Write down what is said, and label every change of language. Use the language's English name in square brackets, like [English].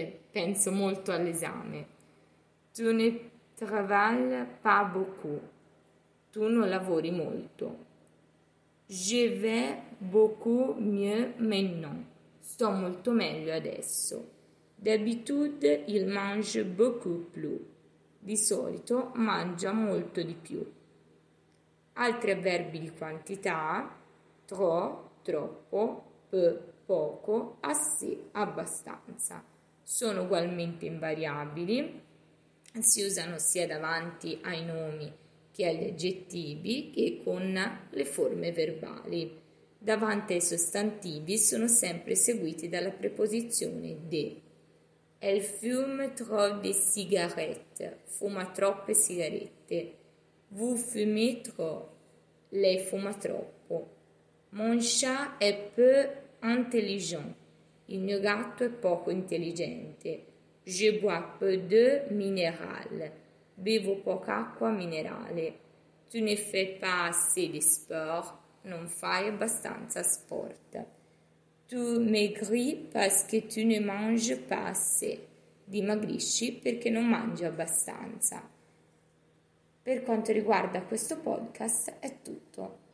[Italian] Penso molto all'esame. [French] Tu ne travailles pas beaucoup. [Italian] Tu non lavori molto. [French] Je vais beaucoup mieux maintenant. [Italian] Sto molto meglio adesso. [French] D'habitude, il mange beaucoup plus. [Italian] Di solito mangia molto di più. Altri avverbi di quantità: trop, troppo, peu, poco, assez, abbastanza. Sono ugualmente invariabili. Si usano sia davanti ai nomi che agli aggettivi e con le forme verbali. Davanti ai sostantivi sono sempre seguiti dalla preposizione de. [French] Elle fume trop de cigarettes. [Italian] Fuma troppe sigarette. [French] Vous fumez trop. [Italian] Lei fuma troppo. [French] Mon chat est peu intelligent. [Italian] Il mio gatto è poco intelligente. [French] Je bois peu de minéral. [Italian] Bevo poca acqua minerale. [French] Tu ne fais pas assez de sport, [Italian] non fai abbastanza sport. [French] Tu maigris parce que tu ne manges pas assez, [Italian] dimagrisci perché non mangi abbastanza. Per quanto riguarda questo podcast è tutto.